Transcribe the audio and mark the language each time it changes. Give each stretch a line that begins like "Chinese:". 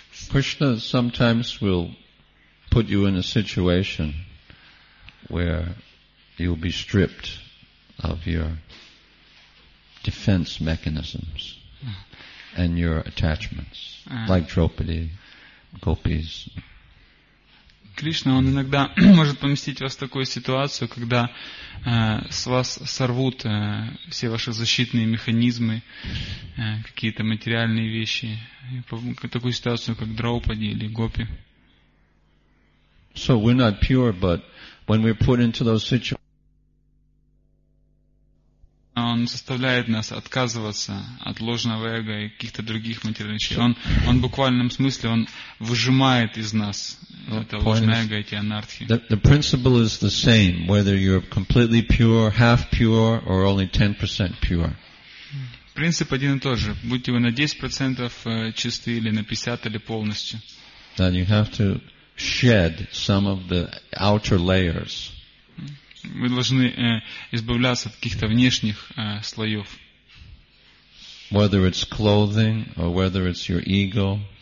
English: Krishna sometimes will put you in a situation where you'll be stripped of your defense mechanisms and your attachments, like Draupadi, gopis.
Russian: Кришна, он иногда может поместить вас в такую ситуацию, когда с вас сорвут все ваши защитные механизмы, какие-то материальные вещи, такую ситуацию, как Драупади или Гопи.
English: So we're not pure, but when we're put into those situations,
Russian: он заставляет нас отказываться от ложного эго и каких-то других материальных вещей. Он в буквальном смысле он выжимает из нас.
English: The principle is the same, whether you're completely pure, half pure, or only 10% pure.
Russian: Принцип один и тот же. Будьте вы на 10% чисты или на 50% или полностью.
English: Then you have to shed some of the outer layers.
Russian: Вы должны избавляться от каких-то внешних слоев.
English: Whether it's clothing or whether it's your ego.